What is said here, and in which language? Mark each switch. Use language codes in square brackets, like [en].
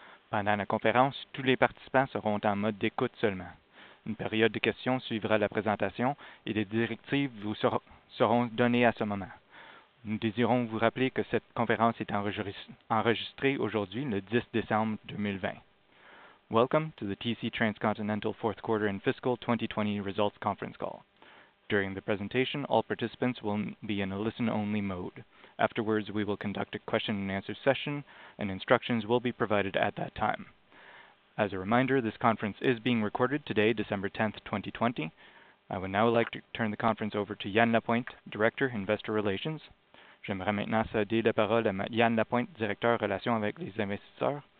[fr] Pendant la conférence, tous les participants seront en mode d'écoute seulement. Une période de questions suivra la présentation et des directives vous seront données à ce moment. Nous désirons vous rappeler que cette conférence est enregistrée aujourd'hui, le 10 décembre 2020. [en] Welcome to the TC Transcontinental Fourth Quarter and Fiscal 2020 Results Conference Call. During the presentation, all participants will be in a listen-only mode. Afterwards, we will conduct a question and answer session, and instructions will be provided at that time. As a reminder, this conference is being recorded today, December 10th, 2020. I would now like to turn the conference over to Yan Lapointe, Director, Investor Relations. [fr] J'aimerais maintenant céder la parole à Yan Lapointe, Directeur, Relations avec les investisseurs.